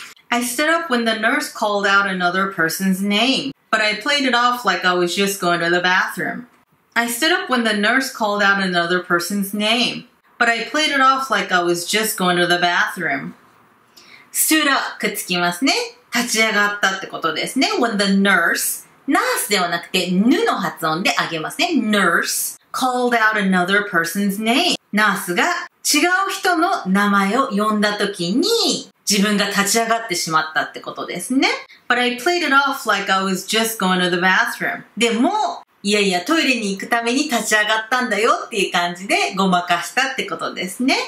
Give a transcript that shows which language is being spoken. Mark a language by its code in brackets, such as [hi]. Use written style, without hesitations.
[en] I stood up when the nurse called out another person's name, but I played it off like I was just going to the bathroom. I stood up when the nurse called out another person's name, but I played it off like I was just going to the bathroom. [ja] Stood up, くっつきますね。立ち上がったってことですね。 [en] When the nurse, [ja] nurse ではなくて、ぬの発音であげますね。 [en] Nurse called out another person's name. [ja] Nurse が違う人の名前を呼んだ時に、自分が立ち上がってしまったってことですね。 [en] But I played it off like I was just going to the bathroom. [ja] でも、いやいや、トイレに行くために立ち上がったんだよっていう感じでごまかしたってことですね。